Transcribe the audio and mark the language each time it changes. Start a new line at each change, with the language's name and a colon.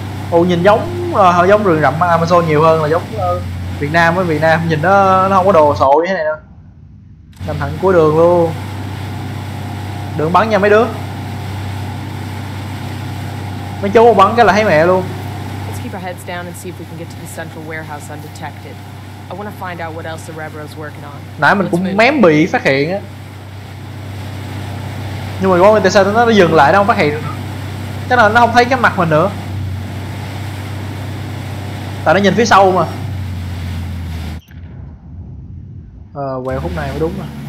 Vietnamese: Ồ, nhìn giống giống rừng rậm Amazon nhiều hơn là giống Việt Nam. Với Việt Nam nhìn nó không có đồ sộ như thế này đâu. Nằm thẳng cuối đường luôn. Đừng bắn nha mấy đứa. Mấy chú bắn cái là thấy mẹ luôn.
English: Let's keep our heads down and see if we can get to the central warehouse undetected. I want to find out what else the Rebro's working on.
Vietnamese: Nãy mình cũng mém bị phát hiện á. Nhưng mà tại sao nó dừng lại đâu không phát hiện được. Chắc là nó không thấy cái mặt mình nữa. Tại nó nhìn phía sau mà. Quẹo khúc này mới đúng mà.